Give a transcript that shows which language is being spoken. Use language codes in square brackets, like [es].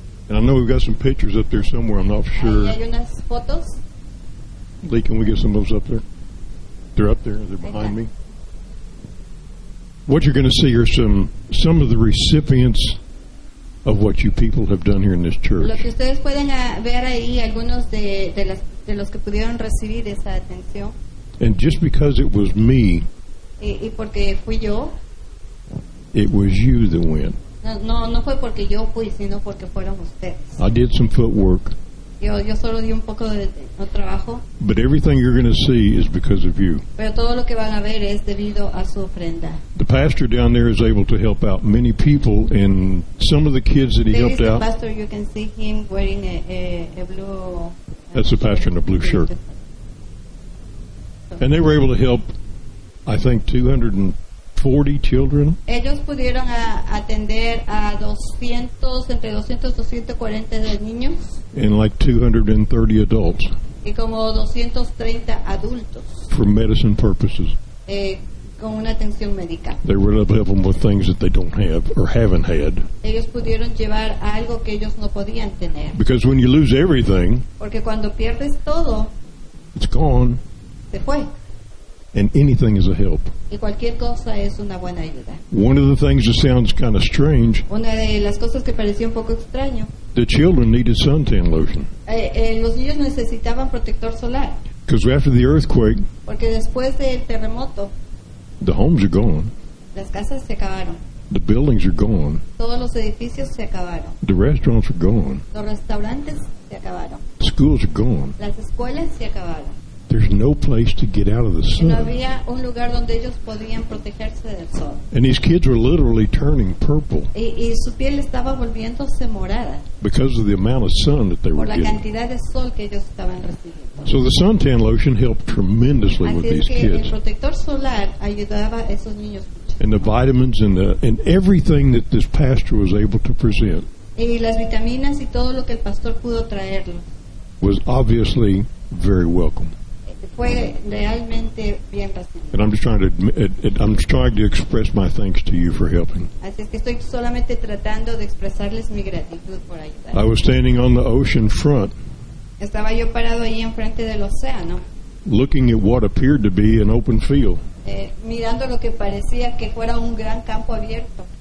[en] And I know we've got some pictures up there somewhere. I'm not sure. [es] Hay unas fotos. [en] Lee, can we get some of those up there? They're up there. They're behind me. What you're going to see are some of the recipients of what you people have done here in this church. [es] Lo que ustedes pueden ver ahí, algunos de los que pudieron recibir esa atención. [en] And just because it was me. [es] Y porque fui yo. [en] It was you that went. [es] No fue porque yo fui, sino porque fueron ustedes. [en] I did some footwork. [es] Yo solo di un poco de trabajo. [en] But everything you're going to see is because of you. [es] Pero todo lo que van a ver es debido a su ofrenda. [en] The pastor down there is able to help out many people, and some of the kids that he helped out. There is the pastor. You can see him wearing a blue. That's the pastor in a blue shirt. And they were able to help, I think, 240 children. [es] Ellos pudieron atender a 200, entre 200 y 240 niños. [en] And like 230 adults. [es] Y como 230 adultos. [en] For medicine purposes. [es] Con una atención médica. [en] They were able to help them with things that they don't have or haven't had. [es] Ellos pudieron llevar algo que ellos no podían tener. [en] Because when you lose everything. [es] Porque cuando pierdes todo. [en] It's gone. [es] Se fue. [en] And anything is a help. [es] Y cualquier cosa es una buena ayuda. [en] One of the things that sounds kind of strange. [es] Una de las cosas que parecía un poco extraño. [en] The children needed suntan lotion. [es] Los niños necesitaban protector solar. [en] Because after the earthquake. [es] Porque después del terremoto. [en] The homes are gone. [es] Las casas se acabaron. [en] The buildings are gone. [es] Todos los edificios se acabaron. [en] The restaurants are gone. [es] Los restaurantes se acabaron. [en] The schools are gone. [es] Las escuelas se acabaron. [en] There's no place to get out of the sun. [es] No había un lugar donde ellos podían protegerse del sol. [en] And these kids were literally turning purple. [es] Y su piel estaba volviéndose morada. [en] Because of the amount of sun that they [es] por [en] were getting. [es] Por la cantidad de sol que ellos estaban recibiendo. [en] So the suntan lotion helped tremendously [es] así [en] with these [es] que [en] kids. [es] El protector solar ayudaba a esos niños mucho. [en] And the vitamins and everything that this pastor was able to present. [es] Y las vitaminas y todo lo que el pastor pudo traerlo. [en] Was obviously very welcome. [es] fue realmente bien recibido. [en] And I'm just trying to I'm trying to express my thanks to you for helping. [es] Así es que estoy solamente tratando de expresarles mi gratitud por ayudar. [en] I was standing on the ocean front. [es] Estaba yo parado ahí enfrente del océano. [en] Looking at what appeared to be an open field. [es] Mirando lo que parecía que fuera un gran campo abierto.